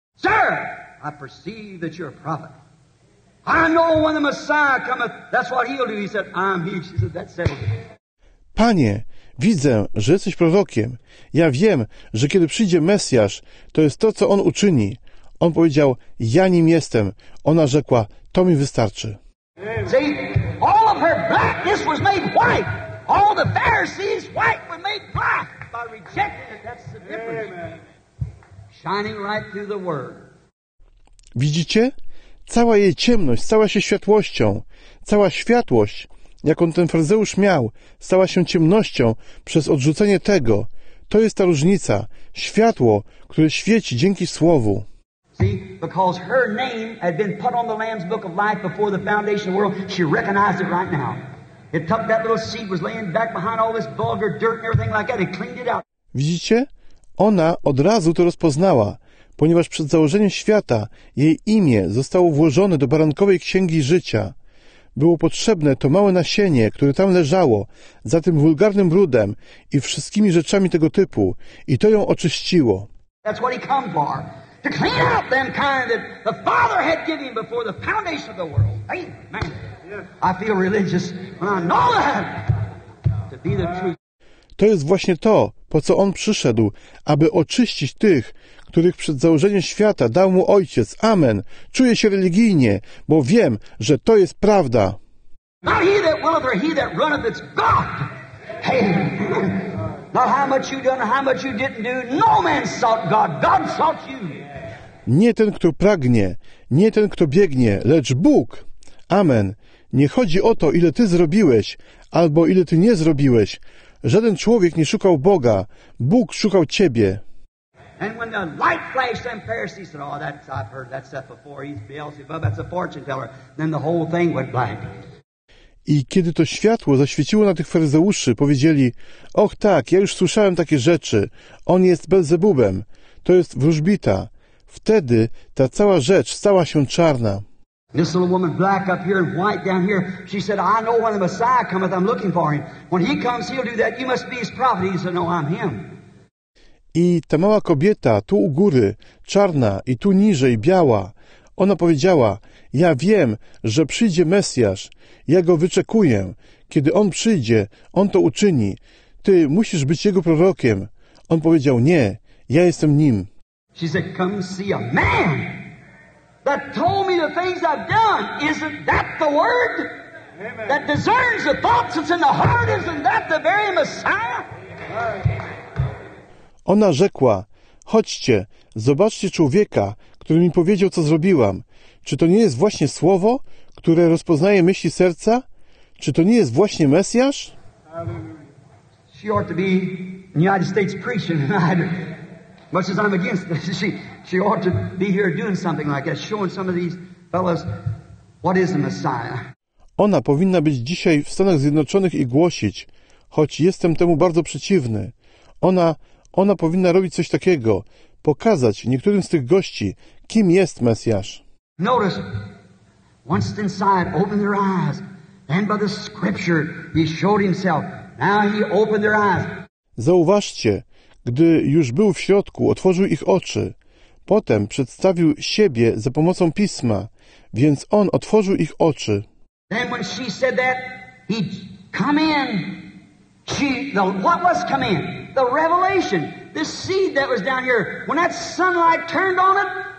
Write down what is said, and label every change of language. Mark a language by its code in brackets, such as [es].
[en] Sir, I perceive that you're a prophet. I know when the Messiah cometh, that's what he'll do. He said, I'm he. She said, that settles it. [pl] Panie, widzę, że jesteś prorokiem. Ja wiem, że kiedy przyjdzie Mesjasz, to jest to, co on uczyni. On powiedział, ja nim jestem. Ona rzekła, to mi wystarczy. [en] See, all of her blackness was made white. All the Pharisees' white were made black by rejecting it. That's the difference. Shining right through the word. [pl] Widzicie? Cała jej ciemność stała się światłością. Cała światłość, jaką ten faryzeusz miał, stała się ciemnością przez odrzucenie tego. To jest ta różnica. Światło, które świeci dzięki Słowu. [en] See, because her name had been put on the Lamb's Book of Life before the foundation of the world, she recognized it right now. It took that little seed, was laying back behind all this vulgar dirt and everything like that, and cleaned it out. [pl] Widzicie? Ona od razu to rozpoznała, ponieważ przed założeniem świata jej imię zostało włożone do barankowej księgi życia. Było potrzebne to małe nasienie, które tam leżało, za tym wulgarnym brudem i wszystkimi rzeczami tego typu, i to ją oczyściło. [en] That's what he come for. To clean out them kind that the Father had given before the foundation of the world. Amen. Yes. I feel religious when I know that to be the truth. [pl] To jest właśnie to, po co on przyszedł, aby oczyścić tych, których przed założeniem świata dał mu Ojciec. Amen. Czuję się religijnie, bo wiem, że to jest prawda. [en] Not he that willeth or he that runneth, it's God. Hey. Not how much you done or how much you didn't do. No man sought God. God sought you. [pl] Nie ten, kto pragnie, nie ten, kto biegnie, lecz Bóg. Amen. Nie chodzi o to, ile ty zrobiłeś, albo ile ty nie zrobiłeś. Żaden człowiek nie szukał Boga. Bóg szukał ciebie. [en] And when the light flashed, them Pharisees said, "Oh, that's, I've heard that stuff before. He's Beelzebub, that's a fortune teller." Then the whole thing went black. [pl] I kiedy to światło zaświeciło na tych faryzeuszy, powiedzieli: "Och tak, ja już słyszałem takie rzeczy. On jest Beelzebubem. To jest wróżbita." Wtedy ta cała rzecz stała się czarna. [en] This little woman, black up here and white down here, she said, "I know when the Messiah cometh, I'm looking for him. When he comes, he'll do that. You must be his prophet." He said, "No, I'm him." [pl] I ta mała kobieta, tu u góry, czarna, i tu niżej, biała, ona powiedziała: "Ja wiem, że przyjdzie Mesjasz, ja go wyczekuję. Kiedy on przyjdzie, on to uczyni. Ty musisz być jego prorokiem." On powiedział: "Nie, ja jestem nim." [en] She said, "Come see a man that told me the things I've done. Isn't that the word? Amen. That discerns the thoughts that's in the heart. Isn't that the very Messiah?" Amen. [pl] Ona rzekła: "Chodźcie, zobaczcie człowieka, który mi powiedział, co zrobiłam. Czy to nie jest właśnie słowo, które rozpoznaje myśli serca? Czy to nie jest właśnie Mesjasz?" [en] She ought to be in the United States preaching tonight. Much as I'm against this, she ought to be here doing something like that, showing some of these fellows what is the Messiah. [pl] Ona powinna być dzisiaj w Stanach Zjednoczonych i głosić, choć jestem temu bardzo przeciwny. Ona powinna robić coś takiego, pokazać niektórym z tych gości, kim jest Mesjasz. [en] Notice, once inside, opened their eyes, and by the scripture he showed himself. Now he opened their eyes. [pl] Zauważcie, gdy już był w środku, otworzył ich oczy. Potem przedstawił siebie za pomocą pisma, więc on otworzył ich oczy. [en] Then when she said that, he come in. What was come in? The revelation, this seed that was down here, when that sunlight turned on it.